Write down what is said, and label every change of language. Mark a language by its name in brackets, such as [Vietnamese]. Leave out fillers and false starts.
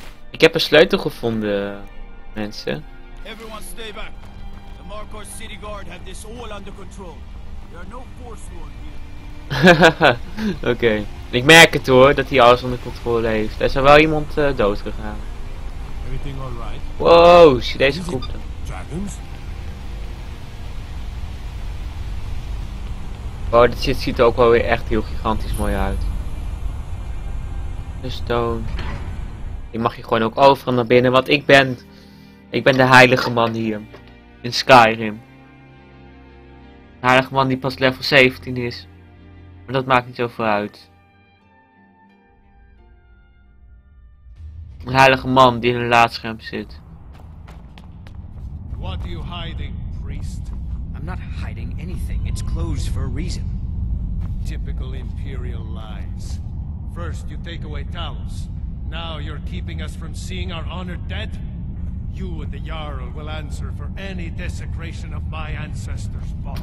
[Dutch] Ik heb een sleutel gevonden, mensen. [English] Everyone stay back. The Markor City Guard have this all under control. There are no force wars here. [Dutch] Oké. Ik merk het hoor, dat hij alles onder controle heeft. Er is wel iemand dood gegaan. [English] Everything all right? [Dutch] Wow, zie deze groep dan. [English] Dragons? [Dutch] Wow, dit ziet er ook wel weer echt heel gigantisch mooi uit. De stone. Die mag je gewoon ook overal naar binnen, want ik ben de heilige man hier in Skyrim. De heilige man die pas level 17 is, maar dat maakt niet zoveel uit. Een heilige man die in een laadscherm zit. [English] What are you hiding, priest? I'm not hiding anything. It's closed for a reason. Typical imperial lies. First you take away Talos. Now you're keeping us from seeing our honor dead? You and the Jarl will answer for any desecration of my ancestors' body.